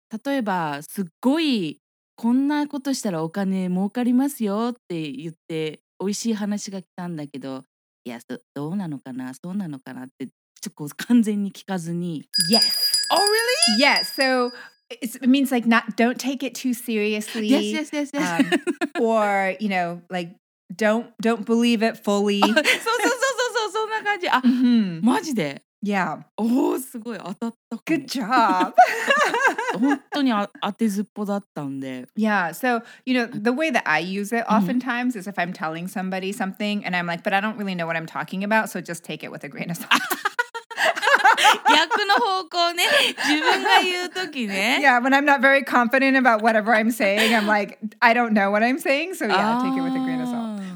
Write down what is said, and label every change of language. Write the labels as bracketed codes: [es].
[ja] 例えばすっごいこんなことしたらお金儲かりますよって言っておいしい話が来たんだけど、いや、どうなのかな、そうなのかなってちょっと完全に聞かずに。 [en] Yes. Oh, really? Yes. So it means like don't take it too seriously. Yes, yes, yes, yes. Or, you know, like don't believe it fully. [ja] そうそうそうそうそう、そんな感じ。あ、 mm-hmm. マジで。 [en] Yeah. [ja] Oh, すごい当たったかも。 [en] Good job. [ja] 本当に当てずっぽだったんで。 [en] Yeah. So, you know, the way that I use it oftentimes is if I'm telling somebody something and I'm like, but I don't really know what I'm talking about, so just take it with a grain of salt. [ja] 逆の方向ね。自分が言うときね。 [en] Yeah. When I'm not very confident about whatever I'm saying, I'm like, I don't know what I'm saying, so yeah, I'll take it with a grain of salt.